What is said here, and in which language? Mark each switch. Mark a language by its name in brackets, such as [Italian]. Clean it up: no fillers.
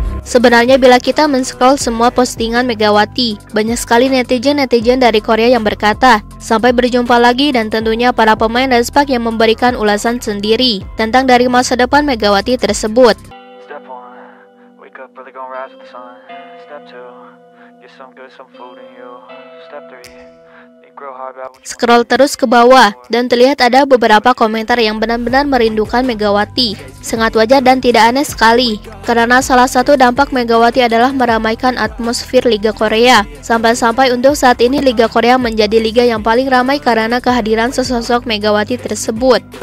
[Indonesian] Sebenarnya bila kita men-scroll semua postingan Megawati, banyak sekali netizen-netizen dari Korea yang berkata, sampai berjumpa lagi dan tentunya para pemain Respak yang memberikan ulasan sendiri tentang dari masa depan Megawati tersebut. [English] Step 1, wake up early gonna rise with the sun. Step 2, get some good, some food in you. [Indonesian] Step 3, scroll terus ke bawah dan terlihat ada beberapa komentar yang benar-benar merindukan Megawati. Sangat wajar dan tidak aneh sekali, karena salah satu dampak Megawati adalah meramaikan atmosfer Liga Korea. Sampai-sampai untuk saat ini Liga Korea menjadi liga yang paling ramai karena kehadiran sesosok Megawati tersebut.